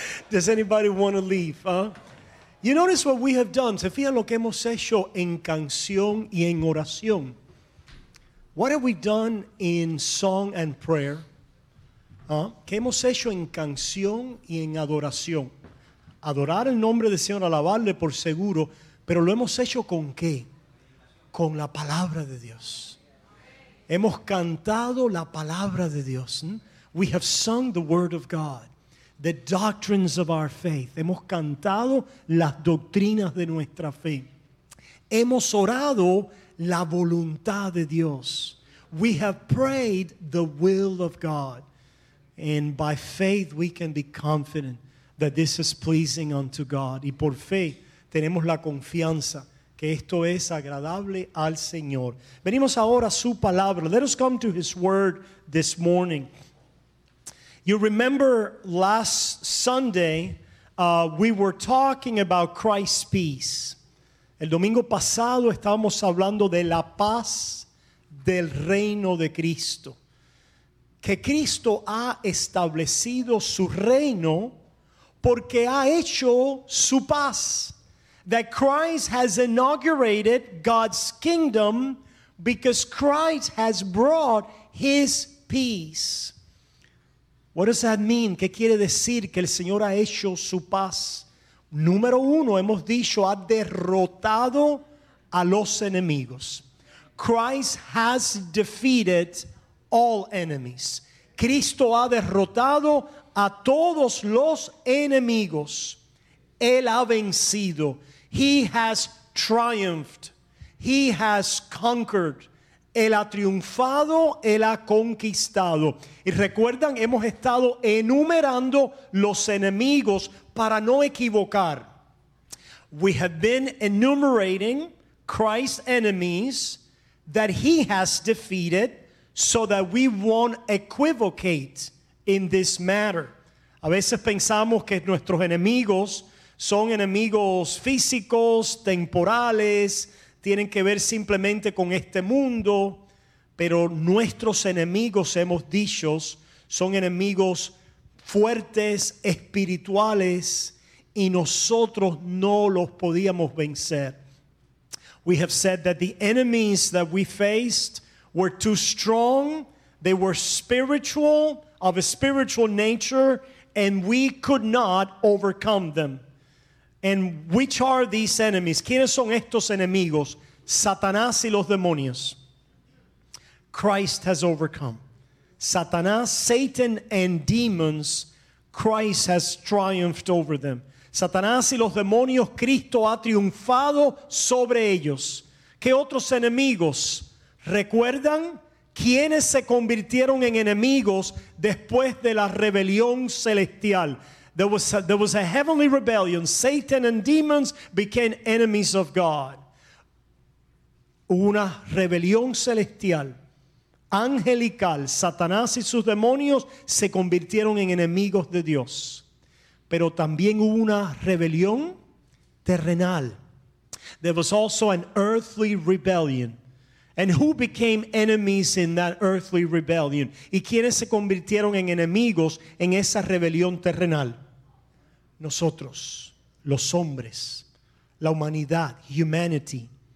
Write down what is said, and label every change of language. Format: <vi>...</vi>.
<en>Does anybody want to leave, huh? You notice what we have done.</en> <es>Se fija lo que hemos hecho en canción y en oración.</es> <en>What have we done in song and prayer?</en> <es>¿Ah? ¿Qué hemos hecho en canción y en adoración? Adorar el nombre del Señor, alabarle por seguro, pero ¿lo hemos hecho con qué? Con la palabra de Dios. Hemos cantado la palabra de Dios.</es> <en>We have sung the word of God, the doctrines of our faith.</en> <es>Hemos cantado las doctrinas de nuestra fe. Hemos orado la voluntad de Dios.</es> <en>We have prayed the will of God. And by faith we can be confident that this is pleasing unto God.</en> <es>Y por fe tenemos la confianza que esto es agradable al Señor. Venimos ahora a su palabra.</es> <en>Let us come to his word this morning. You remember last Sunday we were talking about Christ's peace.</en> <es>El domingo pasado estábamos hablando de la paz del reino de Cristo. Que Cristo ha establecido su reino porque ha hecho su paz.</es> <en>That Christ has inaugurated God's kingdom because Christ has brought his peace. What does that mean?</en> <es>¿Qué quiere decir que el Señor ha hecho su paz? Número uno, hemos dicho, ha derrotado a los enemigos.</es> <en>Christ has defeated all enemies.</en> <es>Cristo ha derrotado a todos los enemigos. Él ha vencido.</es> <en>He has triumphed. He has conquered.</en> <es>Él ha triunfado, él ha conquistado. Y recuerdan, hemos estado enumerando los enemigos para no equivocar.</es> <en>We have been enumerating Christ's enemies that he has defeated so that we won't equivocate in this matter.</en> <es>A veces pensamos que nuestros enemigos son enemigos físicos, temporales, tienen que ver simplemente con este mundo, pero nuestros enemigos, hemos dicho, son enemigos fuertes, espirituales, y nosotros no los podíamos vencer.</es> <en>We have said that the enemies that we faced were too strong, they were spiritual, of a spiritual nature, and we could not overcome them. And which are these enemies?</en> <es>¿Quiénes son estos enemigos? Satanás y los demonios.</es> <en>Christ has overcome. Satanás, Satan and demons, Christ has triumphed over them.</en> <es>Satanás y los demonios, Cristo ha triunfado sobre ellos. ¿Qué otros enemigos? ¿Recuerdan quiénes se convirtieron en enemigos después de la rebelión celestial?</es> <en>There was a heavenly rebellion. Satan and demons became enemies of God.</en> <es>Una rebelión celestial, angelical. Satanás y sus demonios se convirtieron en enemigos de Dios. Pero también hubo una rebelión terrenal.</es> <en>There was also an earthly rebellion. And who became enemies in that earthly rebellion?</en> <es>¿Y quiénes se convirtieron en enemigos en esa rebelión terrenal? Nosotros, los hombres, la humanidad, humanity.</es>